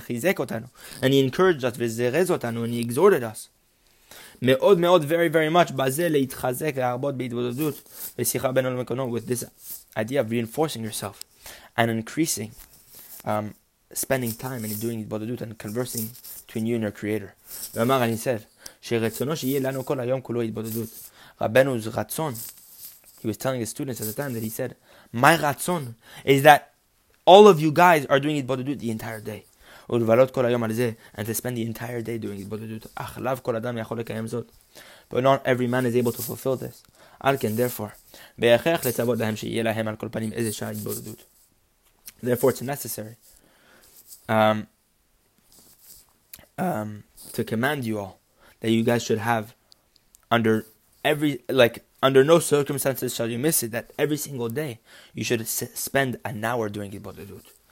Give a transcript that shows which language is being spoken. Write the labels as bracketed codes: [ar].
[en] And he encouraged us, and he exhorted us [he] me'od me'od [en] very, very much with this idea of reinforcing yourself and increasing spending time and doing Hitbodedut and conversing between you and your Creator. And he said, [he] שרצונו שיהיה לנו כל היום כולו התבודדות. [en] Rabbeinu's ratzon, he was telling his students at the time that he said, "My ratzon is that all of you guys are doing Hitbodedut the entire day. [he] ולבלות כל היום על זה, [en] and to spend the entire day doing Hitbodedut. [he] אך לאו כל אדם יכול לקיים זאת. [en] But not every man is able to fulfill this. [he] על כן, [en] therefore, [he] בהכרח לצוות להם שיהיה להם על כל פנים איזה שעה התבודדות. [en] Therefore, it's necessary to command you all that you guys should have under no circumstances shall you miss it, that every single day you should spend an hour doing Hitbodedut.